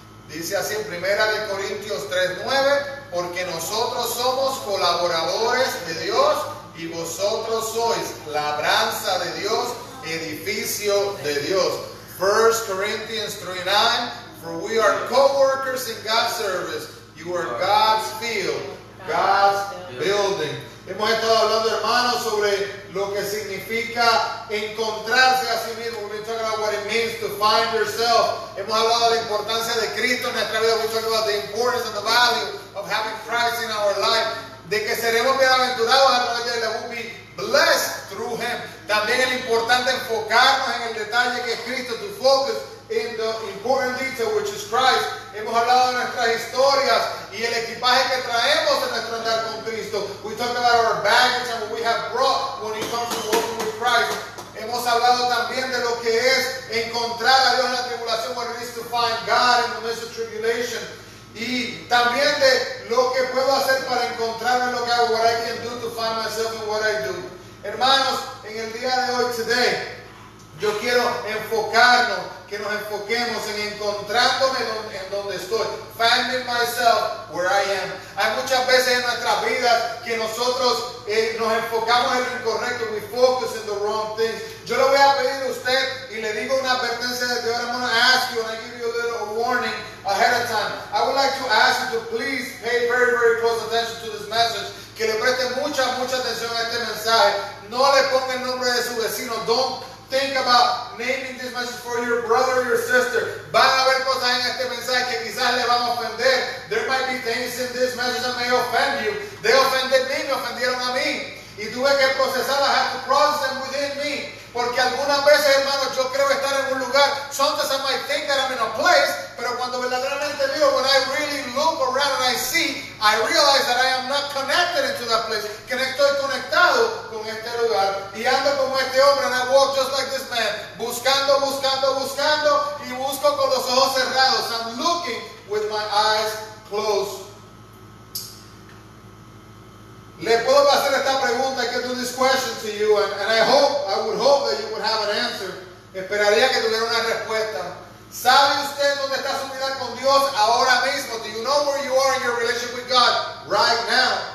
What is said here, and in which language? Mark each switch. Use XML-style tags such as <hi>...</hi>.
<es>Dice así en 1 Corintios 3:9, porque nosotros somos colaboradores de Dios y vosotros sois labranza de Dios, edificio de Dios.</es> <en>1 Corinthians 3:9, for we are co-workers in God's service. You are God's field, God's building.</en> <es>Hemos estado hablando, hermanos, sobre lo que significa encontrarse a sí mismo.</es> <en>We've been talking about what it means to find yourself.</en> <es>Hemos hablado de la importancia de Cristo en nuestra vida.</es> <en>We've talked about the importance and the value of having Christ in our life.</en> <es>De que seremos bienaventurados a través de él.</es> <en>We'll be blessed through him.</en> <es>También es importante enfocarnos en el detalle que es Cristo.</es> <en>To focus in the important detail, which is Christ.</en> <es>Hemos hablado de nuestras historias y el equipaje que traemos en nuestro andar con Cristo.</es> <en>We talked about our baggage and what we have brought when it comes to walking with Christ.</en> <es>Hemos hablado también de lo que es encontrar a Dios en la tribulación,</es> <en>what it is to find God in the midst of tribulation.</en> <es>Y también de lo que puedo hacer para encontrarme en lo que hago,</es> <en>what I can do to find myself in what I do.</en> <es>Hermanos, en el día de hoy,</es> <en>today,</en> <es>yo quiero enfocarnos, que nos enfoquemos en encontrándome en donde estoy.</es> <en>Finding myself where I am.</en> <es>Hay muchas veces en nuestras vidas que nosotros nos enfocamos en lo incorrecto.</es> <en>We focus in the wrong things.</en> <es>Yo le voy a pedir a usted y le digo una advertencia desde ahora.</es> <en>I'm going to ask you and I give you a little warning ahead of time. I would like to ask you to please pay very, very close attention to this message.</en> <es>Que le preste mucha, mucha atención a este mensaje. No le ponga el nombre de su vecino.</es> <en>Don't think about naming this message for your brother or your sister.</en> <es>Van a haber cosas en este mensaje que quizás le van a ofender.</es> <en>There might be things in this message that may offend you. They offended me,</en> <es>me ofendieron a mí. Y tuve que procesarlas,</es> <en>I have to process them within me.</en> <es>Porque algunas veces, hermanos, yo creo estar en un lugar.</es> <en>Sometimes I might think that I'm in a place,</en> <es>pero cuando verdaderamente veo,</es> <en>when I really look around and I see, I realize that I am not connected into that place.</en> <es>Que no estoy conectado con este lugar. Y ando como este hombre,</es> <en>and I walk just like this man,</en> <es>buscando, buscando, buscando, y busco con los ojos cerrados.</es> <en>I'm looking with my eyes closed.</en> <es>Le puedo hacer esta pregunta.</es> <en>I can do this question to you, and I hope, I would hope that you would have an answer.</en> <es>Esperaría que tuviera una respuesta. ¿Sabe usted dónde está su vida con Dios ahora mismo?</es> <en>Do you know where you are in your relationship with God right now?</en>